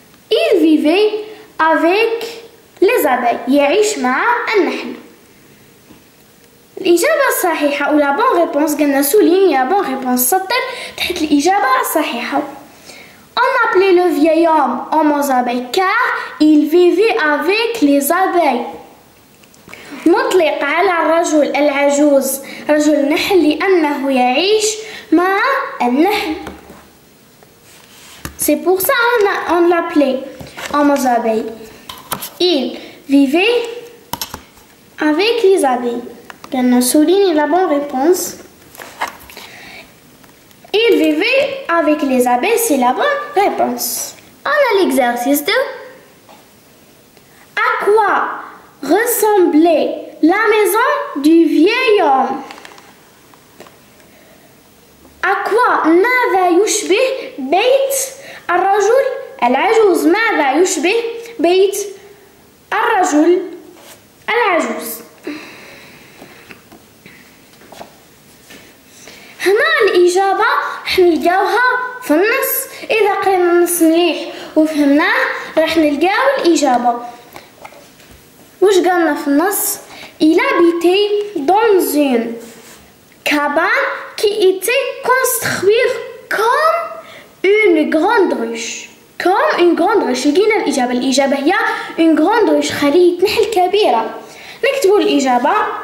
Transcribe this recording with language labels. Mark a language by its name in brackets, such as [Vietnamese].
[French] Il vivait avec les abeilles. [Arabic] يعيش مع النحل. الإجابة الصحيحة [French] ولا بون ريبونس [Arabic] قلنا [French] سولين يا بون ريبونس [Arabic] سطر تحت الإجابة الصحيحة. [French] On appelait le vieil homme homme aux abeilles car il vivait avec les abeilles. [Arabic] مطلق على الرجل العجوز رجل النحل لأنه يعيش مع النحل. [French] C'est pour ça on l'appelait homme aux abeilles. Il vivait avec les abeilles. Bien, on souligne la bonne réponse. Il vivait avec les abeilles, c'est la bonne réponse. On a l'exercice 2. À quoi ressemblait la maison du vieil homme? À quoi [Arabic] ماذا يشبه بيت الرجل العجوز ماذا يشبه بيت الرجل العجوز. هنا الإجابة راح نلقاوها في النص. إذا قرينا النص مليح وفهمناه راح نلقاو الإجابة. واش قالنا في النص؟ [French] Il habitait dans une cabane qui était construite comme une grande ruche. كوم اون غروند روش [Arabic] لقينا الاجابه. الاجابه هي [French] اون غروند روش [Arabic] خليه نحل كبيره. نكتبوا الاجابه.